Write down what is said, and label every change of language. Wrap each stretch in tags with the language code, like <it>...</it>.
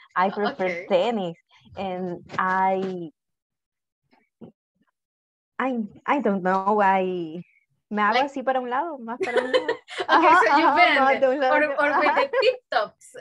<en>I prefer tennis, and I don't know why.</en> <es>Me hago así para un lado, más para un lado.</es> <en>Okay, so you bend, or with the tip tops.</en>